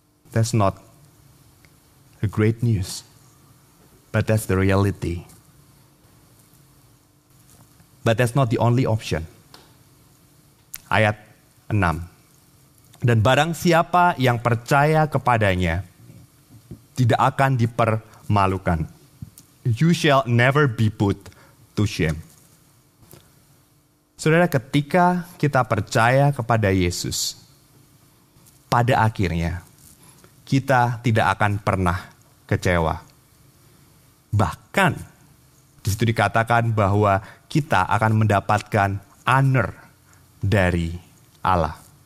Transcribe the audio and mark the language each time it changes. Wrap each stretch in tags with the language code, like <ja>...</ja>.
<en>That's not a great news, but that's the reality. But that's not the only option.</en> <id>Ayat 6. Dan barang siapa yang percaya kepadanya tidak akan dipermalukan.</id> <en>You shall never be put to shame.</en> <id>Saudara, ketika kita percaya kepada Yesus, pada akhirnya kita tidak akan pernah kecewa. Bahkan di situ dikatakan bahwa kita akan mendapatkan honor dari Allah.</id>